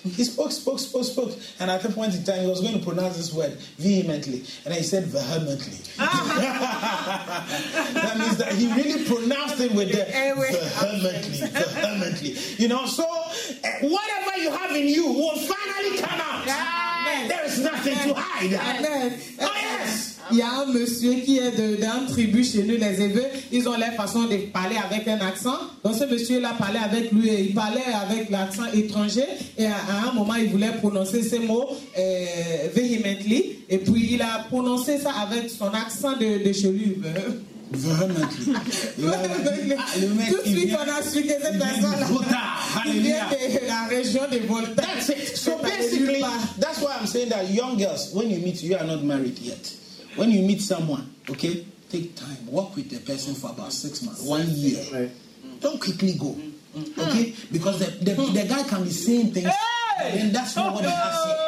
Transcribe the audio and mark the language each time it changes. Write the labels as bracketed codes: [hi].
[en] He spoke, and at a point in time, he was going to pronounce this word vehemently, and then he said vehemently. That means that he really pronounced it with the vehemently. You know, so whatever you have in you will finally come out. Yes. There is nothing to hide. Amen. Oh, yes. [fr] Il y a un monsieur qui est d'une tribu chez nous, les Eveux. Ils ont leur façon de parler avec un accent. Donc ce monsieur-là parlait avec lui et il parlait avec l'accent étranger. Et à un moment, il voulait prononcer ces mots vehemently. Et puis il a prononcé ça avec son accent de chez lui. Vraiment. Tout de suite, on a su que cette personne-là vient de la région de Volta. [en] So basically, that's why I'm saying that young girls, when you meet, you are not married yet. When you meet someone, okay, take time. Work with the person for about 6 months, 1 year. Don't quickly go, okay? Because the guy can be saying things, and then that's not what he has said.